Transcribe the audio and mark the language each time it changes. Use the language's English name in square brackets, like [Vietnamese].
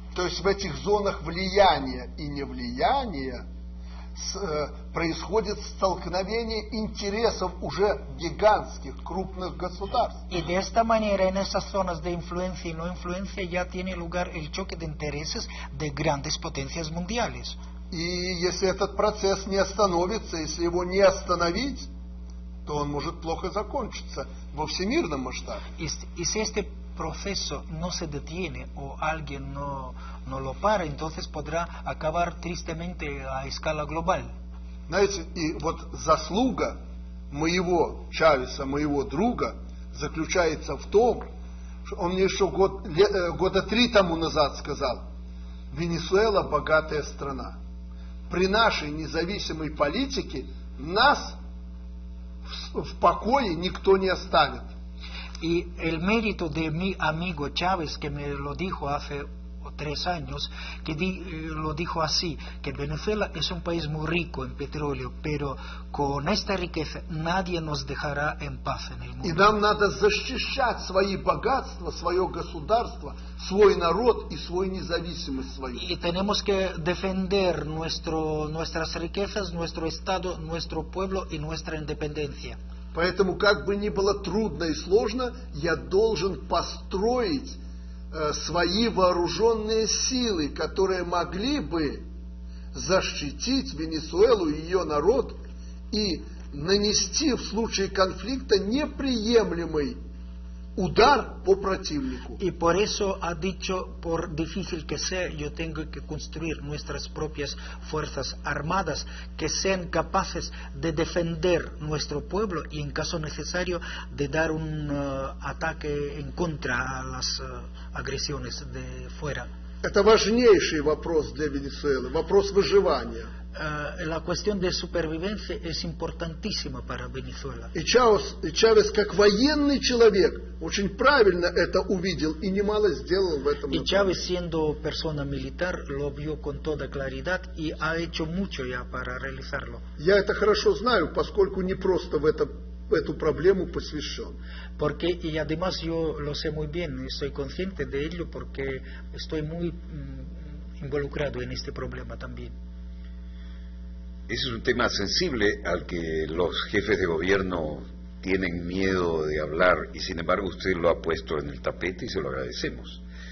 [Russian] То есть в этих зонах влияния и невлияния происходит столкновение интересов уже гигантских, крупных государств. И [Spanish] de esta manera en esas zonas de influencia y no influencia ya tiene lugar el choque de intereses de grandes potencias mundiales. [Russian] И если этот процесс не остановится, если его не остановить, то он может плохо закончиться во всемирном масштабе. И если [Spanish] este proceso no se detiene o alguien no lo para, entonces podrá acabar tristemente a escala global. [Russian] Знаете, и вот заслуга моего Чавеса, моего друга, заключается в том, что он мне еще года три тому назад сказал: Венесуэла богатая страна. При нашей независимой политике нас в покое никто не оставит. И [Spanish] el mérito de mi amigo Chávez, que me lo dijo hace tres años, que lo dijo así, que Venezuela es un país muy rico en petróleo, pero con esta riqueza nadie nos dejará en paz en el mundo. [Russian] И нам надо защищать свои богатства, свое государство, свой народ и свою независимость свою. [Spanish] Y tenemos que defender nuestras riquezas, nuestro estado, nuestro pueblo y nuestra independencia. [Russian] Поэтому, как бы ни было трудно и сложно, я должен построить свои вооруженные силы, которые могли бы защитить Венесуэлу и ее народ и нанести в случае конфликта неприемлемый удар по противнику. И [Spanish] por eso ha dicho, por difícil que sea, yo tengo que construir nuestras propias fuerzas armadas que sean capaces de defender nuestro pueblo y en caso necesario de dar un ataque en contra a las agresiones de fuera. [Russian] Это важнейший вопрос для Венесуэлы, вопрос выживания. [Spanish] La cuestión de supervivencia es importantísima para Venezuela. [Russian] И Чавес, как военный человек, очень правильно это увидел и немало сделал в этом. И Чавес, [Spanish] siendo persona militar, lo vio con toda claridad y ha hecho mucho ya para realizarlo. [Russian] Я это хорошо знаю, поскольку не просто в эту проблему посвящен. [Spanish] Porque y además yo lo sé muy bien, estoy consciente de ello porque estoy muy involucrado en este problema también. Ese es un tema sensible al que los jefes de gobierno tienen miedo de hablar, y sin embargo usted lo ha puesto en el tapete y se lo agradecemos.